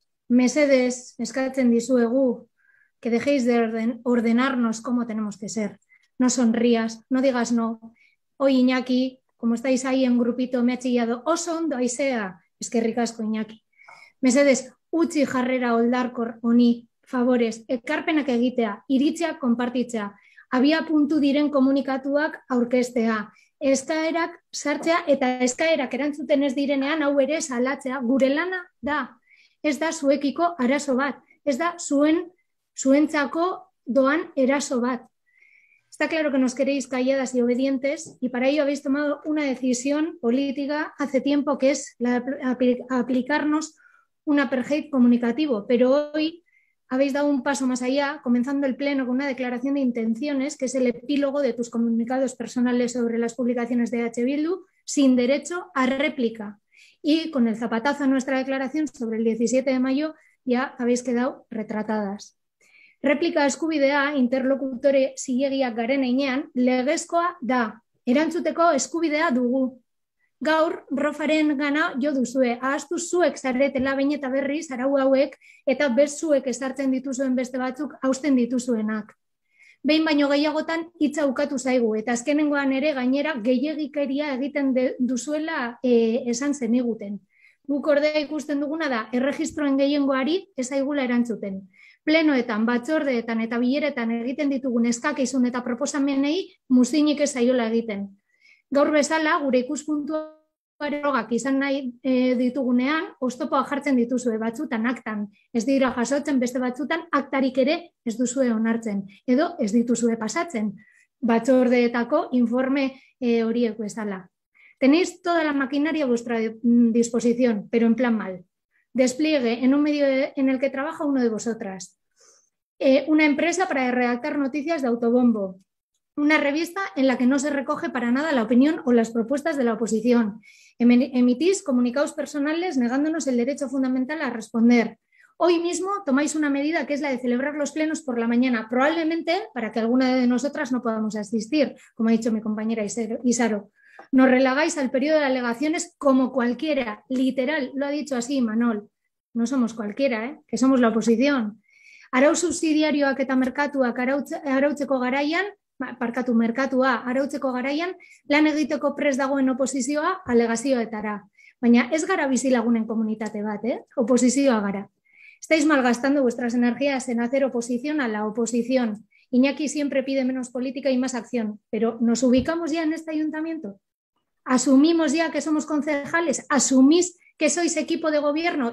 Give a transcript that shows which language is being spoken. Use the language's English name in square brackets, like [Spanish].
[Basque] Mesedez, eskatzen dizuegu, [Spanish] que dejéis de ordenarnos cómo tenemos que ser. No sonrías, no digas no. Hoy Iñaki, como estáis ahí en grupito, me ha chillado, [Basque] oso ondo, Haizea, eskerrik asko Iñaki. Mesedez, utzi jarrera oldarkor honi, favorez, ekarpenak egitea, iritziak konpartitzea, abia puntu diren komunikatuak aurkeztea, eskaerak sartzea eta eskaerak erantzuten ez direnean hau ere salatzea, gure lana da. Ez da zuekiko arazo bat, ez da zuentzako doan eraso bat. [Spanish] Está claro que nos queréis calladas y obedientes y para ello habéis tomado una decisión política hace tiempo que es la aplicarnos un apartheid comunicativo, pero hoy habéis dado un paso más allá, comenzando el pleno con una declaración de intenciones que es el epílogo de tus comunicados personales sobre las publicaciones de EH Bildu sin derecho a réplica. Y con el zapatazo a nuestra declaración sobre el 17 de mayo ya habéis quedado retratadas. [Basque] Réplica eskubidea interlocutore zilegiak garen heinean legezkoa da. Erantzuteko eskubidea dugu. Gaur Rofaren gana jo duzue. Ahaztu zuek zaretela behin eta berriz arau hauek eta bezuek ezartzen dituzuen beste batzuk hausten dituzuenak. Behin baino gehiagotan hitza ukatu zaigu eta azkenengoan ere gainera gehiegikeria egiten duzuela esan zeniguten. Guk ordea ikusten duguna da erregistroen gehiengoari ez zaigula erantzuten. Plenoetan, batzordeetan eta bileretan egiten ditugun eskakizun eta proposamenei muzinik ez zaiola egiten. Gaur bezala gure ikuspuntuak izan nahi ditugunean oztopoa jartzen dituzue batzutan aktan, ez dira jasotzen beste batzutan aktarik ere ez duzue onartzen edo ez dituzue pasatzen batzordeetako informe horiek bezala. [Spanish] Tenéis toda la maquinaria a vuestra disposición, pero en plan mal. Despliegue en un medio en el que trabaja uno de vosotras. Una empresa para redactar noticias de autobombo. Una revista en la que no se recoge para nada la opinión o las propuestas de la oposición. Emitís comunicados personales negándonos el derecho fundamental a responder. Hoy mismo tomáis una medida que es la de celebrar los plenos por la mañana, probablemente para que alguna de nosotras no podamos asistir, como ha dicho mi compañera Isaro. Nos relegáis al periodo de alegaciones como cualquiera, literal, lo ha dicho así Manol. No somos cualquiera, que somos la oposición. [Basque] Arau subsidiarioak eta merkatuak arautzeko garaian, parkatu merkatua, arautzeko garaian, lan egiteko prest dagoen oposizioa alegazioetara. Baina ez gara bizilagunen komunitate bat, oposizioa gara. [Spanish] Estáis malgastando vuestras energías en hacer oposición a la oposición. Iñaki siempre pide menos política y más acción, pero ¿nos ubicamos ya en este ayuntamiento? ¿Asumimos ya que somos concejales? ¿Asumís que sois equipo de gobierno?